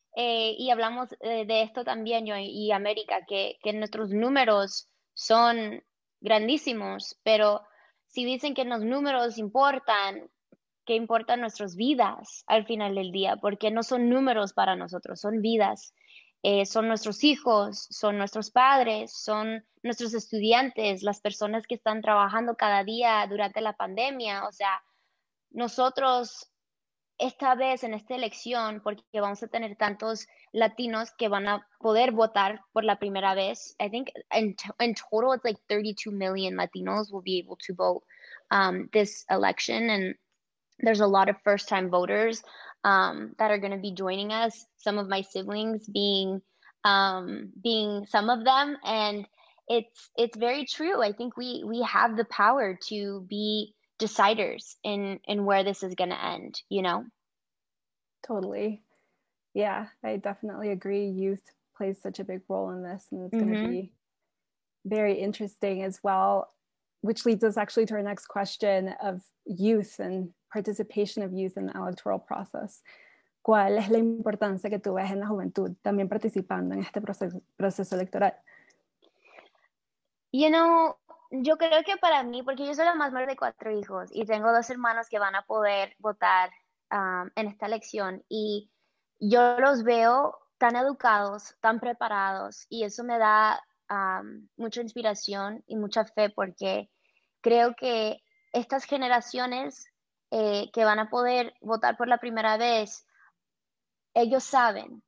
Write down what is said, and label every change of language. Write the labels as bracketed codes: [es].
[es] Y hablamos de esto también, yo y América, que nuestros números son grandísimos, pero si dicen que los números importan, ¿qué importan nuestras vidas al final del día? Porque no son números para nosotros, son vidas. Son nuestros hijos, son nuestros padres, son nuestros estudiantes, las personas que están trabajando cada día durante la pandemia. O sea, nosotros esta vez en esta elección, porque vamos a tener tantos latinos que van a poder votar por la primera vez, [en] I think in total it's like 32 million Latinos will be able to vote this election, and there's a lot of first time voters that are going to be joining us, some of my siblings being some of them, and it's very true. I think we have the power to be deciders in where this is going to end, you know. Totally. Yeah, I definitely agree. Youth plays such a big role in this, and it's going to be very interesting as well, which leads us actually to our next question of youth and participation of youth in the electoral process. [es] ¿Cuál es la importancia que tú ves en la juventud también participando en este proceso electoral? [en] You know, [es] yo creo que para mí, porque yo soy la más mayor de cuatro hijos y tengo dos hermanos que van a poder votar en esta elección, y yo los veo tan educados, tan preparados, y eso me da mucha inspiración y mucha fe, porque creo que estas generaciones que van a poder votar por la primera vez, ellos saben.